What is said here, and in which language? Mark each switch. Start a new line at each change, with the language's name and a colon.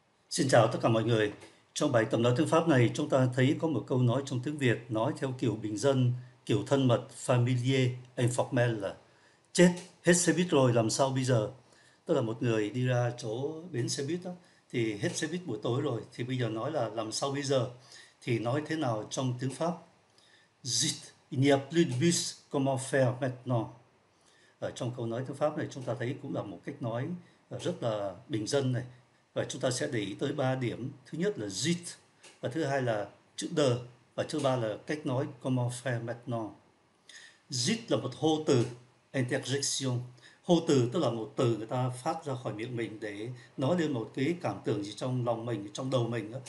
Vietnamese: Xin chào tất cả mọi người. Trong bài tập nói thư pháp này, chúng ta thấy có một câu nói trong tiếng Việt nói theo kiểu bình dân, kiểu thân mật, familier, informel là chết, hết xe buýt rồi, làm sao bây giờ? Tức là một người đi ra chỗ bến xe buýt đó, thì hết xe buýt buổi tối rồi, thì bây giờ nói là làm sao bây giờ? Thì nói thế nào trong tiếng Pháp?
French: Zit, il n'y a plus de bus, comment faire maintenant?
Vietnamese: Ở trong câu nói thư pháp này, chúng ta thấy cũng là một cách nói rất là bình dân này. Và chúng ta sẽ để ý tới ba điểm. Thứ nhất là zit, và thứ hai là chữ de, và thứ ba là cách nói
French: comment faire maintenant.
Vietnamese: Zit là một hô từ, interjection. Hô từ tức là một từ người ta phát ra khỏi miệng mình để nói lên một cái cảm tưởng gì trong lòng mình, trong đầu mình.